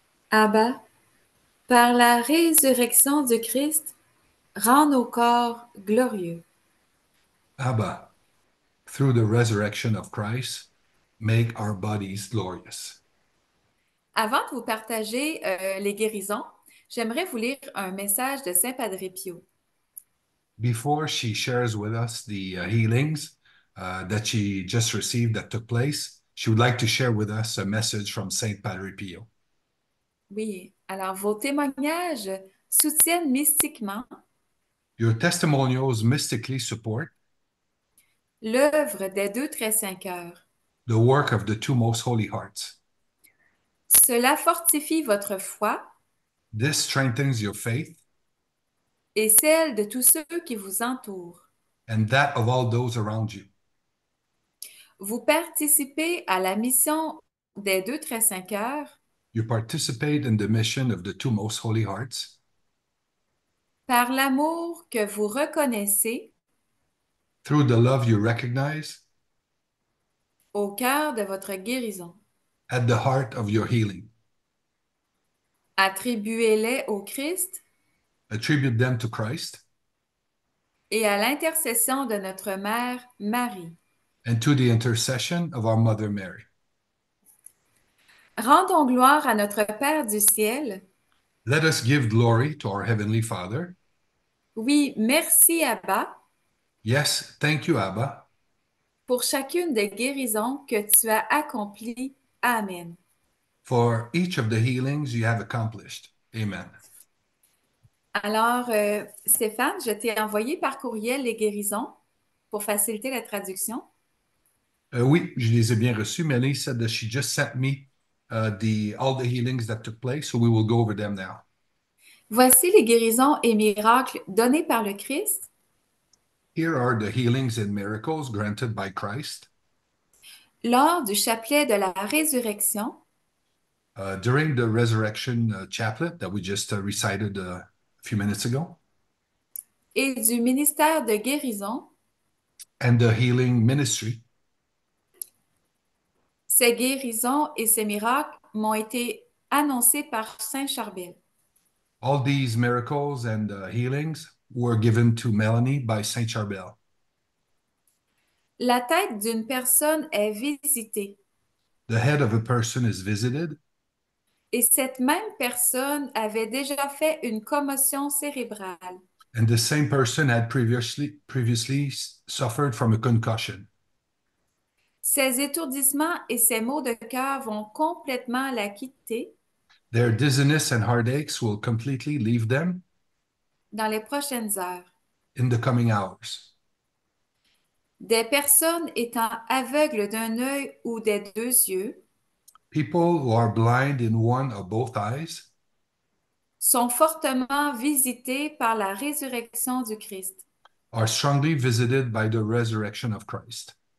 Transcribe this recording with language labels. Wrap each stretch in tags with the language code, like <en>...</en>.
<fr>Abba, par la résurrection du Christ, rends nos corps glorieux.</fr> <en>Abba, through the resurrection of Christ, make our bodies glorious.</en> <fr>Avant de vous partager les guérisons, j'aimerais vous lire un message de Saint Padre Pio.</fr> <en>Before she shares with us the healings that she just received that took place, she would like to share with us a message from Saint Padre Pio.</en> <fr>Oui. Alors, vos témoignages soutiennent mystiquement</fr> <en>Your testimonials mystically support</en> <fr>l'œuvre des deux très saints cœurs.</fr> <en>the work of the two most holy hearts.</en> <fr>Cela fortifie votre foi</fr> <en>This strengthens your faith</en> <fr>et celle de tous ceux qui vous entourent.</fr> <en>and that of all those around you.</en> <fr>Vous participez à la mission des deux très saints cœurs</fr> <en>You participate in the mission of the two most holy hearts.</en> <fr>par l'amour que vous reconnaissez</fr> <en>Through the love you recognize.</en> <fr>au cœur de votre guérison.</fr> <en>At the heart of your healing.</en> <fr>Attribuez-les au Christ.</fr> <en>Attribute them to Christ.</en> <fr>Et à l'intercession de notre Mère Marie.</fr> <en>And to the intercession of our Mother Mary.</en> <fr>Rendons gloire à notre Père du ciel.</fr> <en>Let us give glory to our Heavenly Father.</en> <fr>Oui, merci Abba.</fr> <en>Yes, thank you, Abba.</en> <fr>Pour chacune des guérisons que tu as accomplies. Amen.</fr> <en>For each of the healings you have accomplished.</en> <fr>Amen. Alors, Stéphane, je t'ai envoyé par courriel les guérisons pour faciliter la traduction. Oui, je les ai bien reçus.</fr> <en>Melanie said that she just sent me all the healings that took place, so we will go over them now.</en> <fr>Voici les guérisons et miracles donnés par le Christ.</fr> <en>Here are the healings and miracles granted by Christ.</en> <fr>Lors du chapelet de la résurrection.</fr> <en>During the resurrection chaplet that we just recited a few minutes ago.</en> <fr>Et du ministère de guérison.</fr> <en>And the healing ministry.</en> <fr>Ces guérisons et ces miracles m'ont été annoncés par Saint Charbel.</fr> <en>All these miracles and healings were given to Melanie by Saint Charbel.</en> <fr>La tête d'une personne est visitée.</fr> <en>The head of a person is visited.</en> <fr>Et cette même personne avait déjà fait une commotion cérébrale.</fr> <en>And the same person had previously suffered from a concussion.</en> <fr>Ses étourdissements et ses maux de cœur vont complètement la quitter.</fr> <en>Their dizziness and heartaches will completely leave them.</en> <fr>Dans les prochaines heures.</fr> <en>In the coming hours.</en> <fr>Des personnes étant aveugles d'un œil ou des deux yeux.</fr> <en>People who are blind in one or both eyes.</en> <fr>Sont fortement visitées par la résurrection du Christ.</fr> <en>Are strongly visited by the resurrection of Christ.</en>